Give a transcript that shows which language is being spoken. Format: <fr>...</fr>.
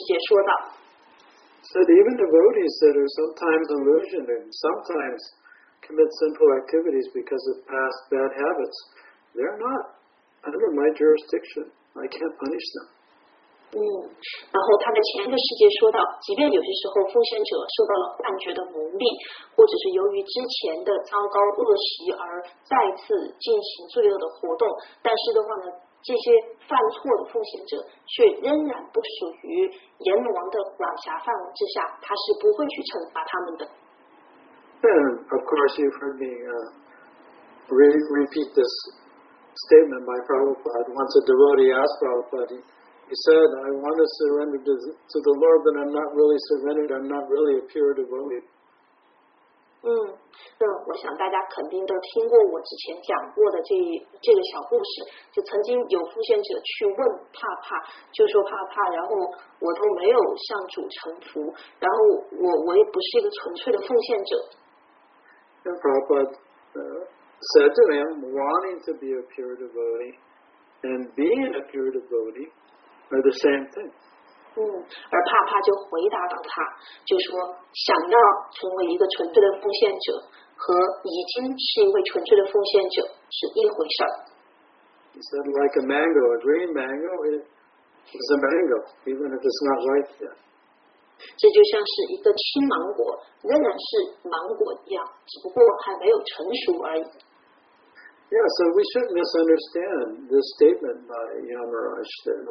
<en>Said even devotees that are sometimes illusioned and sometimes commit sinful activities because of past bad habits, they're not under my jurisdiction. I can't punish them.</en> <zh>然后他在前一个世界说到，即便有些时候奉献者受到了幻觉的蒙蔽，或者是由于之前的糟糕恶习而再次进行罪恶的活动，但是的话呢，这些犯错的奉献者却仍然不属于阎罗王的管辖范围之下，他是不会去惩罚他们的。</zh> <en>And of course, you've heard me repeat this statement by Prabhupada. Once a devotee asked Prabhupada, He said, I want to surrender to the Lord, but I'm not really surrendered. I'm not really a pure devotee.</en> <zh>我想大家肯定都听过我之前讲过的这个小故事，就曾经有奉献者去问帕帕，就说帕帕，然后我都没有向主臣服，然后我也不是一个纯粹的奉献者。</zh> <en>And Prabhupada said to him, wanting to be a pure devotee and being a pure devotee, are the same thing.</en> <zh>而帕帕就回答到他，就说想要成为一个纯粹的奉献者和已经是一位纯粹的奉献者是一回事。</zh> <en>He said, like a mango, a green mango, it's a mango, even if it's not ripe yet.</en> <zh>这就像是一个青芒果，仍然是芒果一样，只不过还没有成熟而已。</zh> <en>Yeah, so we shouldn't misunderstand this statement by Yamaraj.</en>